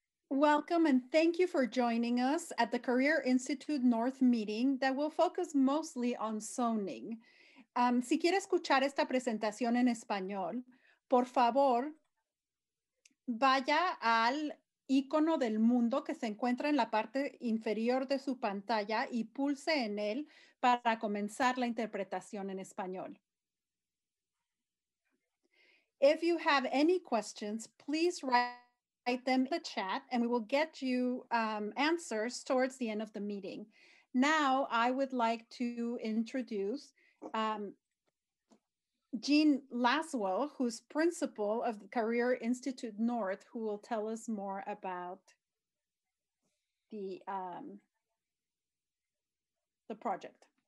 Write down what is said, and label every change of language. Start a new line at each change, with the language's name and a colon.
English: Welcome and thank you for joining us at the Career Institute North meeting that will focus mostly on zoning.
Spanish: Si quiere escuchar esta presentación en español, por favor, vaya al icono del mundo que se encuentra en la parte inferior de su pantalla y pulse en él para comenzar la interpretación en español.
English: If you have any questions, please write them in the chat and we will get you answers towards the end of the meeting. Now, I would like to introduce Jean Laswell, who's principal of the Career Institute North, who will tell us more about the project.